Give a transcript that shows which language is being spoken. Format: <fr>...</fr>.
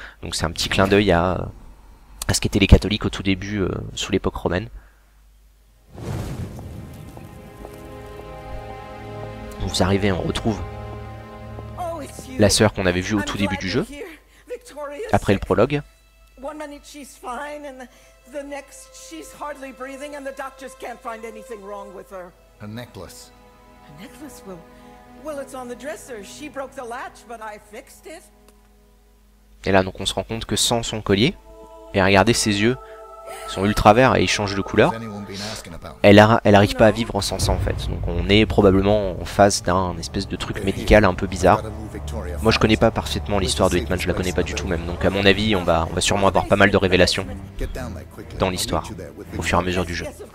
<fr>Donc c'est un petit clin d'œil à ce qu'étaient les catholiques au tout début, sous l'époque romaine. Donc vous arrivez, on retrouve la sœur qu'on avait vue au tout début du jeu. Après le prologue.</fr> <en>One minute she's fine and the next she's hardly breathing and the doctors can't find anything wrong with her. A necklace. A necklace? Well, it's on the dresser. She broke the latch, but I fixed it.</en> <fr>Et là donc on se rend compte que sans son collier, et regardez ses yeux, ils sont ultra verts et ils changent de couleur. Elle arrive pas à vivre sans ça en fait. Donc on est probablement en face d'un espèce de truc médical un peu bizarre. Moi je connais pas parfaitement l'histoire de Hitman, je la connais pas du tout même. Donc à mon avis on va sûrement avoir pas mal de révélations dans l'histoire au fur et à mesure du jeu.</fr>